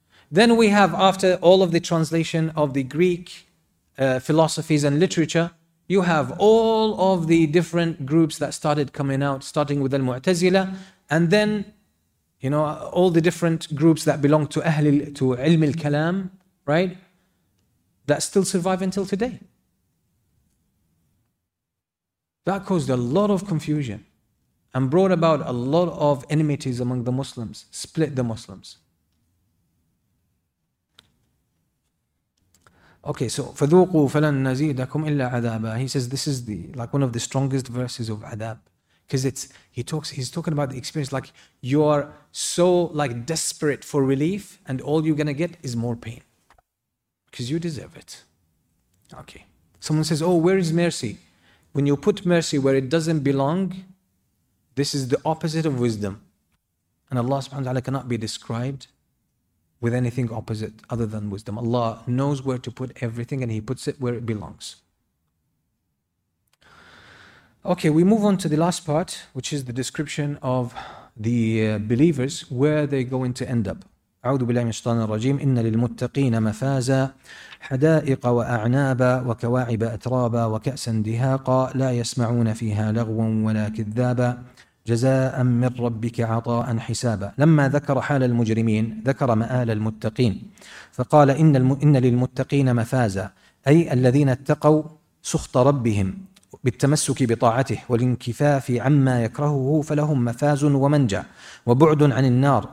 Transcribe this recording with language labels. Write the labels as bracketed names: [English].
[English] Then we have, after all of the translation of the Greek philosophies and literature, you have all of the different groups that started coming out, starting with Al-Mu'tazila, and then, you know, all the different groups that belong to Ilm al-Kalam, right? That still survive until today. That caused a lot of confusion and brought about a lot of enmities among the Muslims, split the Muslims. Okay, so [Arabic] فَذُوقُوا فَلَن نَزِيدَكُمْ إِلَّا عَذَابًا. [English] He says this is the like one of the strongest verses of adab, because it's he's talking about the experience, like you are so like desperate for relief and all you're gonna get is more pain, because you deserve it. Okay, someone says, oh, where is mercy? When you put mercy where it doesn't belong, this is the opposite of wisdom, and Allah subhanahu wa ta'ala cannot be described with anything opposite other than wisdom. Allah knows where to put everything and He puts it where it belongs. Okay, we move on to the last part, which is the description of the believers, where they are going to end up. [Arabic] أعوذ بالله من الشيطان الرجيم إن للمتقين مفازا حدائق وأعنابا وكواعب أترابا وكأسا دهاقا لا يسمعون فيها لغوا ولا كذابا جزاء من ربك عطاء حسابا. لما ذكر حال المجرمين ذكر مآل المتقين فقال إن للمتقين مفازا أي الذين اتقوا سخط ربهم بالتمسك بطاعته والانكفاف عما يكرهه فلهم مفاز ومنجع وبعد عن النار.